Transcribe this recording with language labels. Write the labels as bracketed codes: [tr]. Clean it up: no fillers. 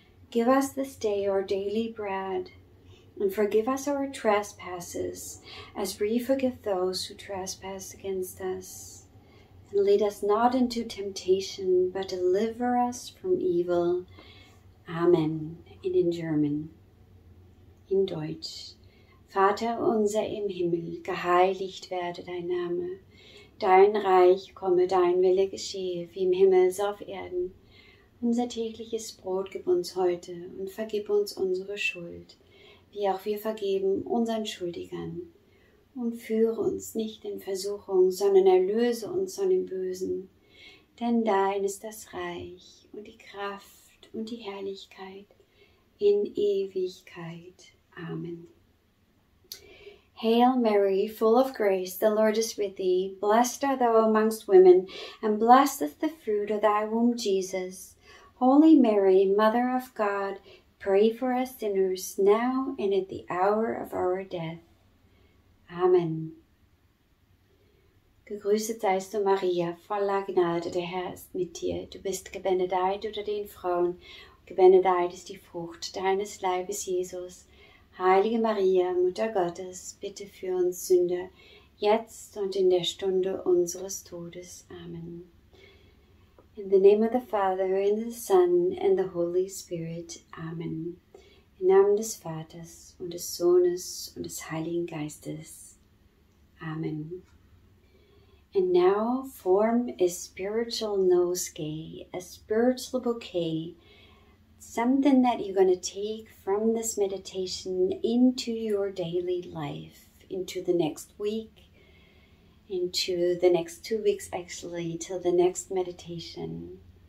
[en] Give us this day our daily bread, and forgive us our trespasses, as we forgive those who trespass against us. And lead us not into temptation, but deliver us from evil. Amen. And in German. [de] In Deutsch. Vater unser im Himmel, geheiligt werde dein Name. Dein Reich komme, dein Wille geschehe, wie im Himmel so auf Erden. Unser tägliches Brot gib uns heute und vergib uns unsere Schuld, wie auch wir vergeben unseren Schuldigern. Und führe uns nicht in Versuchung, sondern erlöse uns von dem Bösen. Denn dein ist das Reich und die Kraft und die Herrlichkeit in Ewigkeit. Amen. [en] Hail Mary, full of grace, the Lord is with thee. Blessed art thou amongst women, and blessed is the fruit of thy womb, Jesus. Holy Mary, Mother of God, pray for us sinners, now and at the hour of our death. Amen. [de] Gegrüßet seist du, Maria, voller Gnade, der Herr ist mit dir. Du bist gebenedeit unter den Frauen, und gebenedeit ist die Frucht deines Leibes, Jesus. Heilige Maria, Mutter Gottes, bitte für uns Sünder, jetzt und in der Stunde unseres Todes. Amen. [en] In the name of the Father, and the Son, and the Holy Spirit. Amen. [de] Im Namen des Vaters, und des Sohnes, und des Heiligen Geistes. Amen. [en] And now form a spiritual nosegay, a spiritual bouquet, something that you're going to take from this meditation into your daily life, into the next week, into the next 2 weeks, actually, till the next meditation.